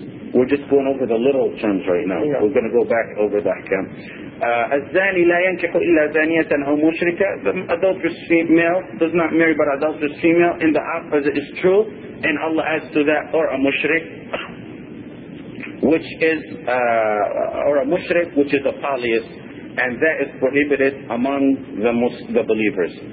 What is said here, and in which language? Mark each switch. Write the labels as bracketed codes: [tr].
[en] We're just going over the literal terms right now. Yeah. We're going to go back over the ahkam. [ar] الزاني لا ينكح إلا زانية أو مشركة. [en] The adulterous female does not marry but adulterous female in the opposite is true and Allah adds to that or a mushrik which is or a mushrik which is a polyist and that is prohibited among the believers.